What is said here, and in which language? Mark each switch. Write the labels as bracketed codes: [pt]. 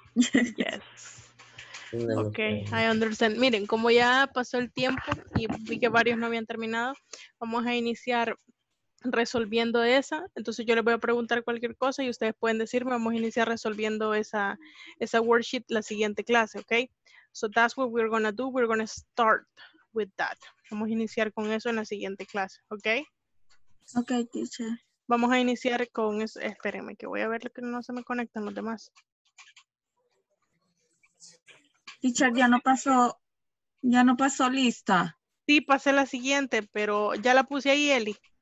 [en] Yes. Ok, I understand. [es] Miren, como ya pasó el tiempo y vi que varios no habían terminado, vamos a iniciar resolviendo esa. Entonces yo les voy a preguntar cualquier cosa y ustedes pueden decirme, vamos a iniciar resolviendo esa worksheet la siguiente clase, ok? [en] So that's what we're gonna do, we're gonna start with that. [es] Vamos a iniciar con eso en la siguiente clase, ¿ok? [en] Ok, teacher. [es] Vamos a iniciar con eso. Espérenme que voy a ver que no se me conectan los demás. Teacher, ya no pasó lista. Sí, pasé la siguiente, pero ya la puse ahí, Eli.